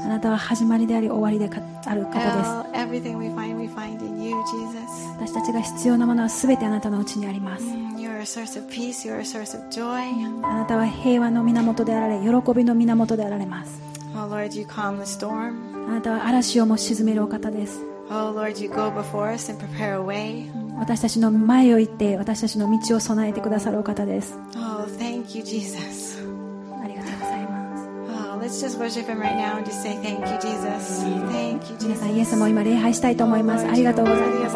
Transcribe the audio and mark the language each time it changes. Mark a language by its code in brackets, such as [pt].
[ja] あなたは始まりであり終わりである方です。 [en] Everything we find in you, Jesus. [ja] 私たちが必要なものはすべてあなたのうちにあります。 [en] You are a source of peace, you are a source of joy. [ja] あなたは平和の源であられ、喜びの源であられます。 [en] Oh, Lord, you calm the storm. [ja] あなたは嵐をも沈めるお方です。 [en] Oh, Lord, you go before us and prepare a way. [ja] 私たちの前を行って私たちの道を備えてくださるお方です。 [en] Oh, thank you, Jesus. [ja] ありがとうございます。 [en] Oh, let's just worship him right now and just say thank you, Jesus. Thank you, Jesus. [ja] 皆さん、イエス様を今礼拝したいと思います。ありがとうございます。